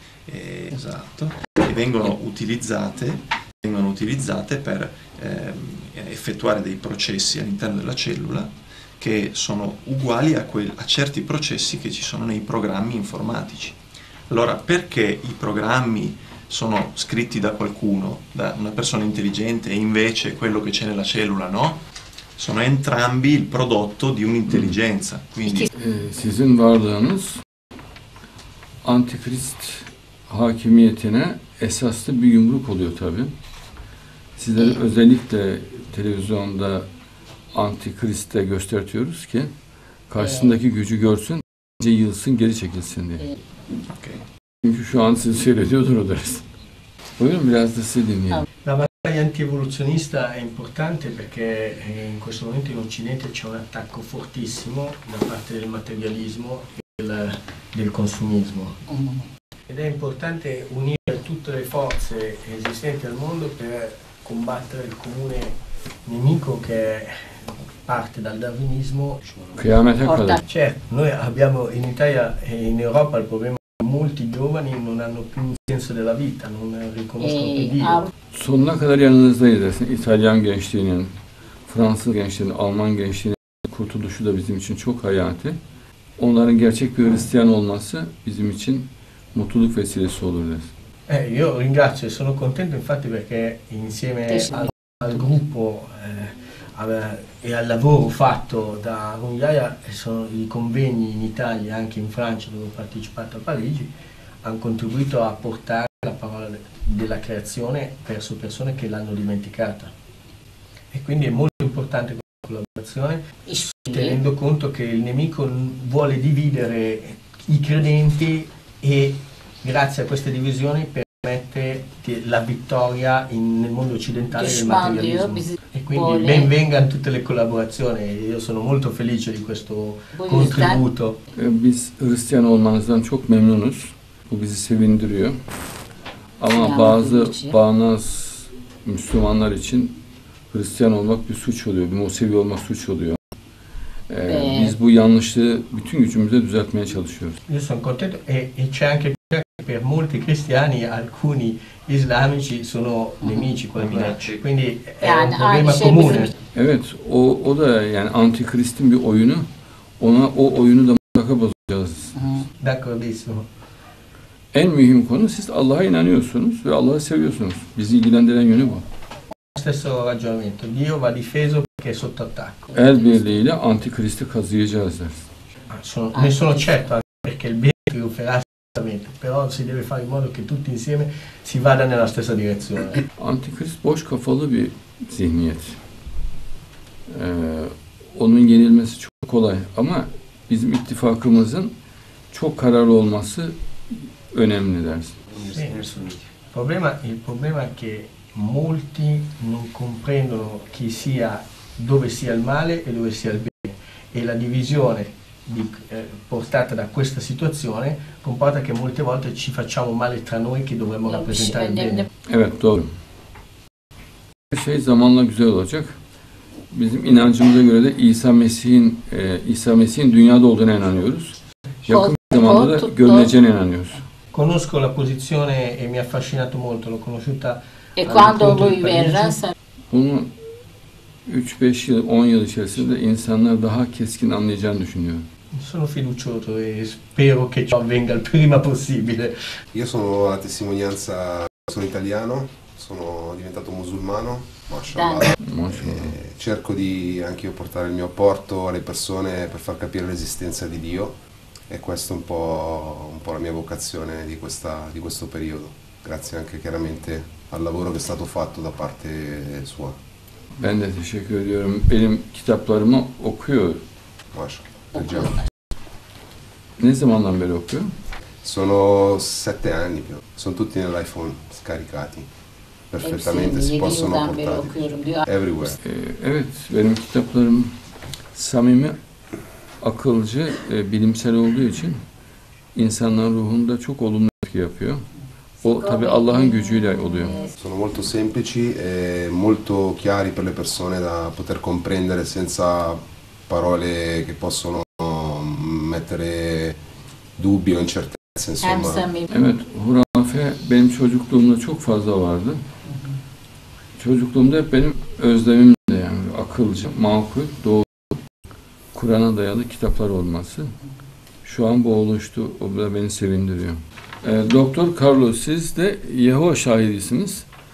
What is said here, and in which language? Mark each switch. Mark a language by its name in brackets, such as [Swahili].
[Italian] Esatto. E vengono utilizzate per effettuare dei processi all'interno della cellula che sono uguali a certi processi che ci sono nei programmi informatici. Allora, perché i programmi sono scritti da qualcuno, da una persona intelligente, e invece quello che c'è nella cellula no? Sono entrambi il prodotto di un'intelligenza. Quindi [Turkish] sizin varlığınız antikrist hakimiyetine esaslı bir yumruk oluyor tabii. Sizleri özellikle televizyonda antikriste göstertiyoruz ki karşısındaki gücü görsün, önce yılsın, geri çekilsin diye. Okay. Çünkü şu an sizi seyrediyordur o ders. Buyurun biraz da sizi dinleyelim. [Italian] La battaglia anti-evoluzionista è importante perché in questo momento in Occidente c'è un attacco fortissimo da parte del materialismo e del consumismo. Ed è importante unire tutte le forze esistenti al mondo per combattere il comune nemico che parte dal darwinismo. Certo, noi abbiamo in Italia e in Europa il problema che molti giovani non hanno più un senso della vita, non riconoscono più Dio. [Turkish] Sonuna kadar yanınızdayız. İtalyan gençliğinin, Fransız gençliğinin, Alman gençliğinin kurtuluşu da bizim için çok hayati. Onların gerçek bir Hristiyan olması bizim için mutluluk vesilesi olur deriz. [Italian] Io ringrazio, sono contento infatti perché insieme al gruppo e al lavoro fatto da Rungliaia sono i convegni in Italia anche in Francia dove ho partecipato a Parigi hanno contribuito a portare la parola della creazione verso persone che l'hanno dimenticata. E quindi è molto importante questa collaborazione tenendo conto che il nemico vuole dividere i credenti e grazie a queste divisioni permette la vittoria nel mondo occidentale del materialismo. E quindi ben vengano tutte le collaborazioni, io sono molto felice di questo contributo. [Turkish] Biz Hristiyan olmanızdan çok memnunuz. Bu bizi sevindiriyor. Ama bazı bağnaz Müslümanlar için Hristiyan olmak bir suç oluyor, bir Musevi olmak suç oluyor. Biz bu yanlışlığı bütün gücümüzle düzeltmeye çalışıyoruz. [Italian] Io sono contento e c'è anche per molti cristiani alcuni islamici sono nemici quindi è un problema comune. [Turkish] Evet, o da yani antikristin bir oyunu. Ona o oyunu da mutlaka bozacağız. [Italian] D'accordissimo. [Turkish] En mühim konu siz Allah'a inanıyorsunuz ve Allah'ı seviyorsunuz. Bizi ilgilendiren yönü bu. [Italian] Stesso ragionamento. Dio va difeso perché è sotto attacco. [Turkish] El birliğiyle antikristi kazıyacağız der. [Italian] Ne sono certo perché il bene triunferà certamente, però si deve fare in modo che tutti insieme si vada nella stessa direzione. [Turkish] Antikrist boş kafalı bir zihniyet. Onun yenilmesi çok kolay ama bizim ittifakımızın çok kararlı olması önemli dersin. [Italian] Il problema è che molti non comprendono chi sia dove sia il male e dove sia il bene e la divisione portata da questa situazione comporta che molte volte ci facciamo male tra noi che dovremmo rappresentare il bene. [Turkish] Evet, doğru. Her şey zamanla güzel olacak. Bizim inancımıza göre de İsa Mesih'in dünyada olduğuna inanıyoruz. Yakın zamanda da görüneceğine inanıyoruz. [Italian] Conosco la posizione e mi ha affascinato molto, l'ho conosciuta. E quando lui verrà? [Turkish] Bunu 3-5 yıl, 10 yıl içerisinde insanlar daha keskin anlayacağını düşünüyorum. [Italian] Sono fiducioso e spero che ciò avvenga il prima possibile. Io sono a testimonianza, sono italiano, sono diventato musulmano, mashallah. Cerco di anche io portare il mio apporto alle persone per far capire l'esistenza di Dio. E questo è un po' la mia vocazione di questo periodo, grazie anche chiaramente al lavoro che è stato fatto da parte sua. [Turkish] Ben de teşekkür ediyorum. Benim kitaplarımı okuyor. Maşallah. Ne zamandan beri okuyor? [Italian] Sono 7 anni più. Sono tutti nell'iPhone scaricati. Perfettamente si possono portare. [English] Everywhere. [Turkish] Evet, benim kitaplarım samimi, akılcı, bilimsel olduğu için insanların ruhunda çok olumlu etki yapıyor. O tabii Allah'ın gücüyle oluyor. [Italian] Sono molto semplici e molto chiari per le persone da poter comprendere senza parole che possono mettere dubbi o incertezze insomma. [Turkish] Evet, hurafe benim çocukluğumda çok fazla vardı. Çocukluğumda hep benim özlemimdi yani akılcı, makul, doğru. Kur'an'a dayalı kitaplar olması. Şu an bu oluştu. O da beni sevindiriyor. Doktor Carlos, siz de Yahova şahidisiniz.